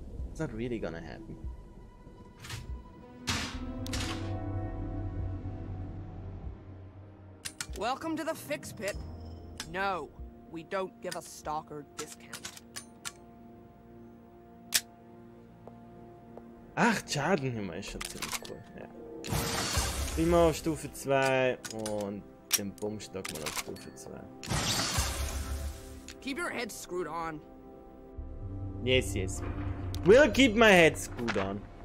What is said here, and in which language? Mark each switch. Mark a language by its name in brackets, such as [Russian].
[English] It's not really gonna happen. Welcome to the Fix Pit. No, we don't give a stalker discount. [German] Ach, Schaden immer ist schon ziemlich cool. Ja. Immer auf Stufe 2 und den Bummstock mal auf Stufe 2. [English] Keep your head screwed on. Yes, yes. Will keep my head screwed on.